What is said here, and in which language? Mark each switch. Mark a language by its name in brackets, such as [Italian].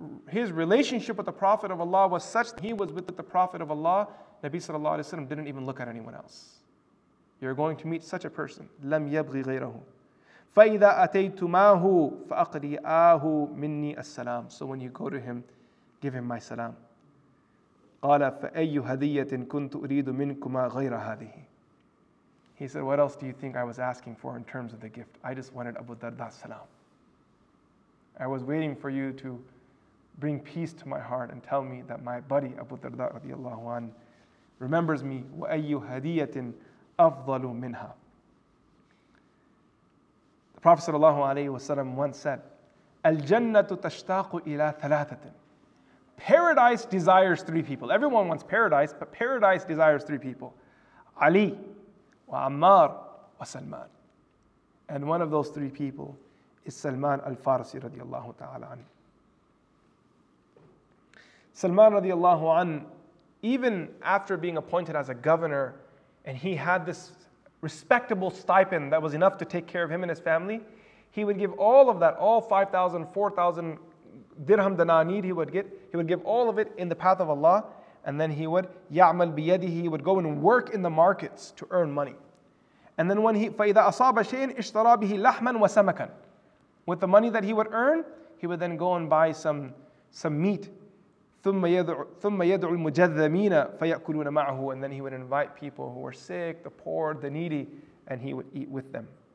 [English] His relationship with the Prophet of Allah was such that he was with the Prophet of Allah. Nabi sallallahu alayhi wa sallam didn't even look at anyone else. You're going to meet such a person. [Arabic] لم يبغي غيره. فإذا أتيتماه فأقرئاه مني السلام. [English] So when you go to him, give him my salam. [Arabic] قال فأي هدية كنت أريد منكما غير هذه. [English] He said, what else do you think I was asking for in terms of the gift? I just wanted Abu Darda salam. I was waiting for you to bring peace to my heart and tell me that my buddy Abu Darda radiallahu anhu remembers me. [Arabic] وَأَيُّ هَدِيَّةٍ أَفْضَلُ مِنْهَا. [English] The Prophet sallallahu alayhi wasallam once said, الْجَنَّةُ تَشْتَاقُ إِلَىٰ ثَلَاثَةٍ. Paradise desires three people. Everyone wants paradise, but paradise desires three people. [Arabic] Ali, وعمار وسلمان. [English] And one of those three people is Salman al-Farsi radiallahu ta'ala anhu. Salman radiallahu anhu, even after being appointed as a governor and he had this respectable stipend that was enough to take care of him and his family, he would give all of that, all 5,000, 4,000 dirham dananid he would get, he would give all of it in the path of Allah. And then he would يَعْمَلْ بِيَدِهِ. He would go and work in the markets to earn money. [Arabic] And then when he فَإِذَا أَصَابَ شَيْءٍ اشْتَرَى بِهِ لَحْمًا وَسَمَكًا. [English] With the money that he would earn, he would then go and buy some meat. [Arabic] ثُمَّ يَدْعُ الْمُجَذَّمِينَ فَيَأْكُلُونَ مَعَهُ. [English] And then he would invite people who were sick, the poor, the needy, and he would eat with them.